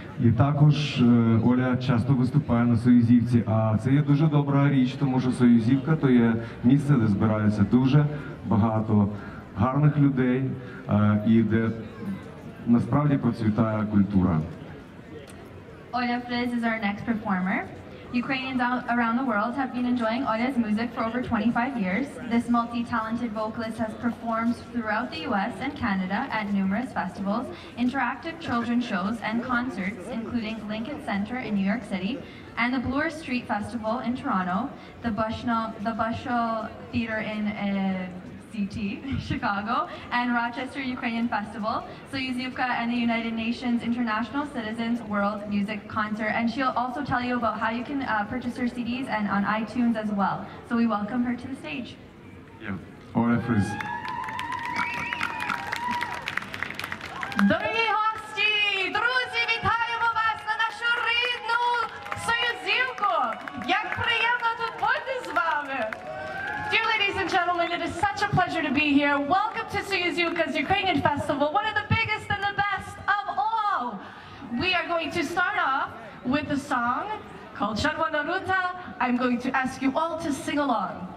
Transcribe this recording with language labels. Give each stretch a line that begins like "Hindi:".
Ukrainian: І також Оля часто виступає на Союзівці, а це є дуже добра річ, тому що Союзівка – то є місце, де збирається дуже багато гарних людей і де насправді процвітає культура.
English: Оля Фриз is our next performer. Ukrainians around the world have been enjoying Oya's music for over 25 years. This multi-talented vocalist has performed throughout the US and Canada at numerous festivals, interactive children's shows and concerts, including Lincoln Center in New York City, and the Bloor Street Festival in Toronto, the Bushnell Theater in CT, Chicago, and Rochester Ukrainian Festival, Soyuzivka, and the United Nations International Citizens World Music Concert. And she'll also tell you about how you can purchase her CDs and on iTunes as well. So we welcome her to the stage. Yeah, Оля Фриз.
Ukrainian: Дорогі гості, друзі, вітаємо вас на нашу рідну Союзівку. Як приємно тут бути з вами.
English: Dear ladies and gentlemen, it is such a pleasure to be here. Welcome to Soyuzivka's Ukrainian Festival, one of the biggest and the best of all. We are going to start off with a song called Chervona Ruta. I'm going to ask you all to sing along.